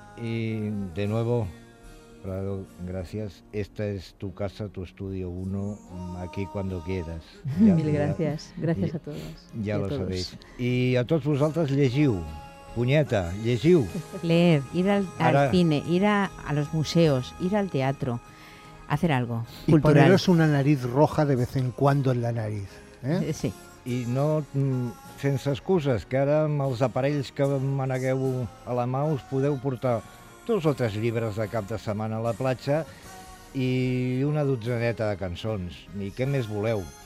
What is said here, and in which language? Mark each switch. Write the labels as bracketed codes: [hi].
[es] Y de nuevo, Prado, gracias. Esta es tu casa, tu estudio 1, aquí cuando quieras. Mil gracias a todos. Ya lo todos. Sabéis. [ca] Y a tots vosaltres, llegiu. Punyeta, llegiu. [es] Leer, ir al cine, ir a los museos, ir al teatro. Hacer algo y cultural. Y poneros una nariz roja de vez en cuando en la nariz. Sí. Y no, [ca] sense excuses, que ara amb els aparells que manegueu a la mà us podeu portar dos o tres llibres de cap de setmana a la platja i una dotzeneta de cançons. I què més voleu?